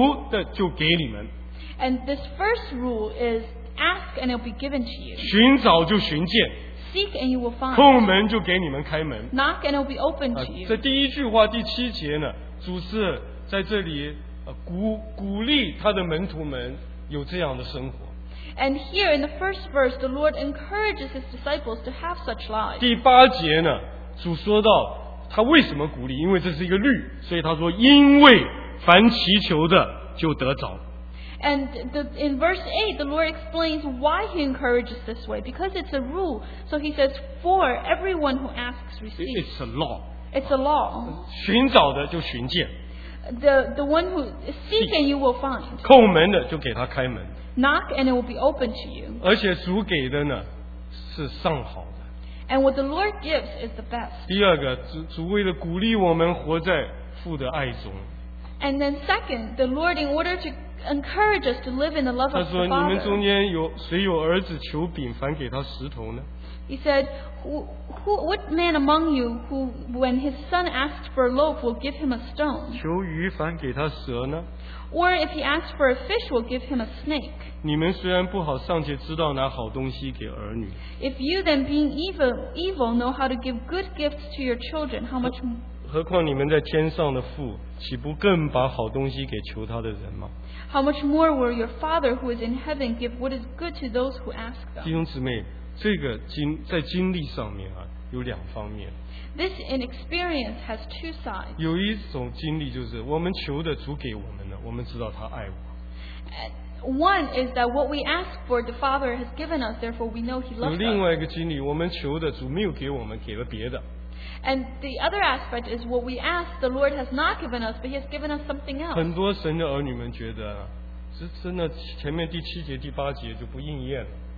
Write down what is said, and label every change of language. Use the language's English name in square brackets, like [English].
[Chinese] 他就第一个律是说，你们求的就给你们。 [English] And this first rule is ask and it will be given to you. [Chinese] 寻找就寻见, [English] seek and you will find. [Chinese] 叩门就给你们开门, [English] knock and it will be opened to you. [Chinese] 这第一句话第七节呢, 主是在这里鼓励他的门徒们有这样的生活。 [English] And here in the first verse, the Lord encourages his disciples to have such lives. [Chinese] 第八节呢, 主说到他为什么鼓励, 因为这是一个律, 所以他说因为凡祈求的就得着。 [English] And in verse 8, the Lord explains why he encourages this way. Because it's a rule. So he says, for everyone who asks, receives. It's a law. It's a law. [Chinese] 寻找的就寻见。 [English] The one who seeks and you will find. [Chinese] 叩门的就给他开门。 [English] Knock and it will be opened to you. [Chinese] 而且主给的呢，是上好的。 [English] And what the Lord gives is the best. [Chinese] 第二个，主为了鼓励我们活在父的爱中。 [English] And then second, the Lord, in order to encourage us to live in the love of the Father. [Chinese] 他说：“你们中间有谁有儿子求饼，反给他石头呢？” [English] He said, what man among you who, when his son asks for a loaf, will give him a stone? [Chinese] 求鱼反给他蛇呢？ [English] Or if he asks for a fish, will give him a snake. [Chinese] 你们虽然不好，尚且知道拿好东西给儿女。 [English] If you then being evil know how to give good gifts to your children, how much more? [Chinese] 何况你们在天上的父，岂不更把好东西给求他的人吗？ [English] How much more will your Father who is in heaven give what is good to those who ask them? [Chinese] 弟兄姊妹，这个经在经历上面啊，有两方面。 [English] This in experience has two sides. [Chinese] 有一种经历就是我们求的主给我们的，我们知道他爱我。 [English] One is that what we ask for the Father has given us, therefore we know He loves us. [Chinese] 有另外一个经历，我们求的主没有给我们，给了别的。 [English] And the other aspect is what we ask the Lord has not given us, but He has given us something else. [Chinese] 很多神的儿女们觉得，这真的前面第七节、第八节就不应验了。